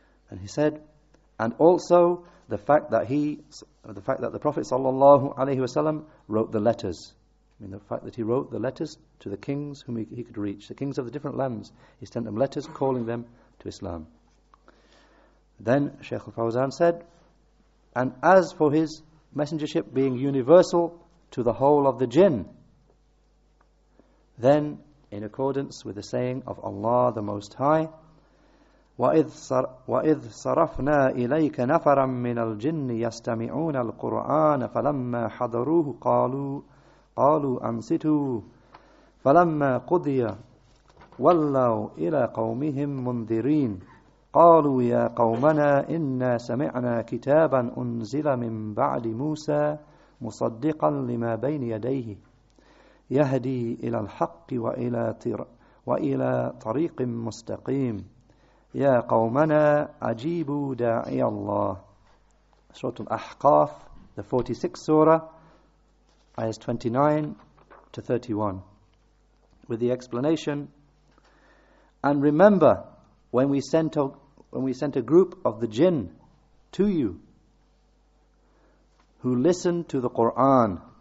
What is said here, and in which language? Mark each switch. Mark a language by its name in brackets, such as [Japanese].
[English] And he said, and also the fact that the Prophet sallallahu alayhi wasallam wrote the letters. I mean, the fact that he wrote the letters to the kings whom he could reach, the kings of the different lands. He sent them letters calling them to Islam. Then Shaykh al-Fawzan said, and as for his messengership being universal to the whole of the jinn, then in accordance with the saying of Allah the Most High, [Arabic] وَإِذْ صَرَفْنَا إِلَيْكَ نَفَرًا مِّنَ الْجِنِّ يَسْتَمِعُونَ الْقُرْآنَ فَلَمَّا حَضَرُوهُ قَالُوا أَنْسِتُوا فَلَمَّا قُضِيَ وَلَّوْا إِلَى قَوْمِهِمْ مُنذِرِينَ قالوا يا قومنا إنا سمعنا كتابا أنزل من بعد موسى مصدقا لما بين يديه يهدي إلى الحق وإلى طريق مستقيم يا قومنا أجيبوا داعي الله. [English] سورة الأحقاف, the 46th surah, ayahs 29-31, with the explanation, and remember when we sent a group of the jinn to you who listened to the Qur'an.